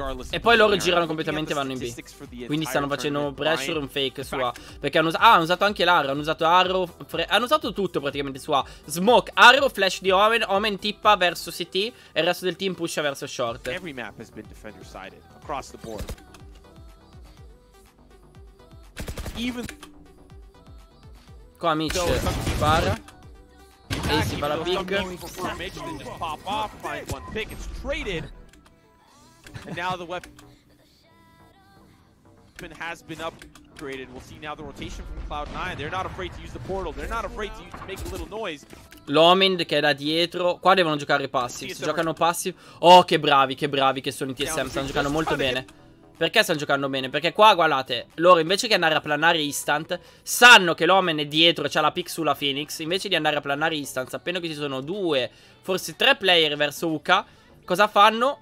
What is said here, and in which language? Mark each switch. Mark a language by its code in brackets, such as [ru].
[it] E poi loro girano completamente e vanno in B. Quindi stanno facendo pressure un fake su A. Perché hanno, hanno usato anche l'arrow. Hanno usato arrow, hanno usato tutto praticamente su A. Smoke, arrow, flash di Omen. Omen tippa verso CT e il resto del team pusha verso short. [en] Every map has been defender sided across the board. [it] Even... qua Mitch spara e si va la big. [en] And now the weapon has been upgraded. We'll see now the rotation from Cloud9. They're not afraid to use the portal. They're not afraid to, use, to make a little noise. [it] Lomind che è da dietro. Qua devono giocare passive. Se giocano passive. Oh, che bravi, che bravi che sono i TSM. Stanno giocando molto bene. Perché stanno giocando bene? Perché qua, guardate, loro invece che andare a planare instant, sanno che l'Omen è dietro, c'ha la pick sulla Phoenix. Invece di andare a planare instant, appena che ci sono due, forse tre player verso Uka, cosa fanno?